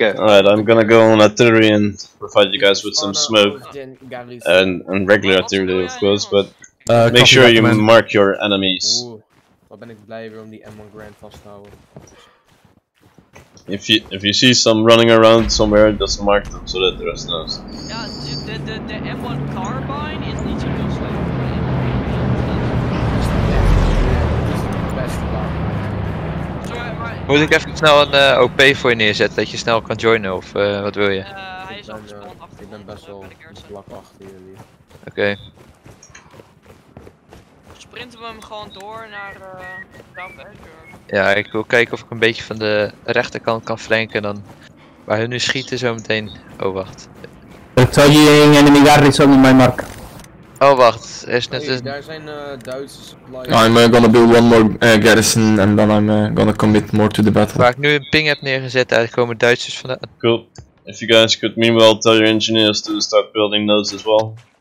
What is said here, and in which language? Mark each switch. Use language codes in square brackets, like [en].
[en] Alright, I'm gonna go on artillery and provide you guys with some smoke. And regular artillery, of course, but make sure you mark your enemies. [nl] Oeh, wat ben ik blij weer om die M1 Grand vast te houden. [en] If you see some running around somewhere, just mark them so that the rest knows. [nl] Ja, de M1 Carbine is niet zo heel slecht. Moet ik even snel een OP voor je neerzetten, dat je snel kan joinen, of wat wil je? Hij is al gespawned achter. Ik ben best wel vlak achter jullie. Oké. Okay. Sprinten we hem gewoon door naar South Edgar? Ja, ik wil kijken of ik een beetje van de rechterkant kan flanken, dan... Waar hun nu schieten zometeen... Oh, wacht. Ik zal hier een enemy garrison in mijn mark. Oh wacht, er is net een... Hey, daar zijn Duitse supplies. [en] I'm gonna build one more garrison and then I'm gonna commit more to the battle. [nl] Waar ik nu een ping heb neergezet, daar komen Duitsers vandaan. [en] Cool. If you guys could meanwhile tell your engineers to start building those as well.